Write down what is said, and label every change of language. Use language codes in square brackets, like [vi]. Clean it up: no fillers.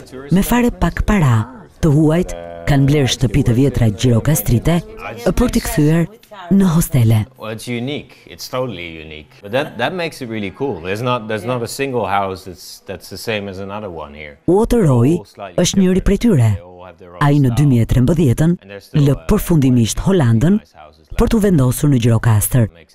[sq] Me fare pak para, të huajt kanë blerë shtëpi të vjetra Gjirokastrite për t'i kthyer në hostele. [en] It's unique. It's totally unique. But that makes it really cool. There's not a single house that's the same as another one here. [sq] Uotëroi është njëri prej tyre. Ai në 2013-ën lë përfundimisht Holandën për t'u vendosur në Gjirokastër.